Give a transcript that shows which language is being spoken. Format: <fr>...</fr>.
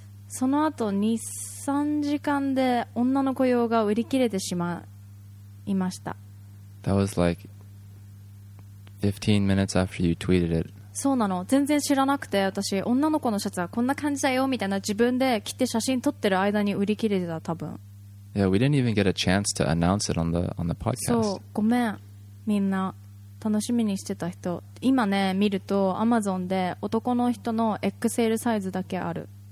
<ja>その後2-3時間で女の子用が売り切れてしまいました。</ja> <en>That was like 15 minutes after you tweeted it.</en> <ja>そうなの。全然知らなくて、私、女の子のシャツはこんな感じだよみたいな自分で着て写真撮ってる間に売り切れてた、多分。</ja> <en>Yeah, we didn't even get a chance to announce it on the podcast.</en> <ja>そう、ごめん、みんな。楽しみにしてた人。今ね、見ると Amazon で男の人の XL サイズだけある。</ja>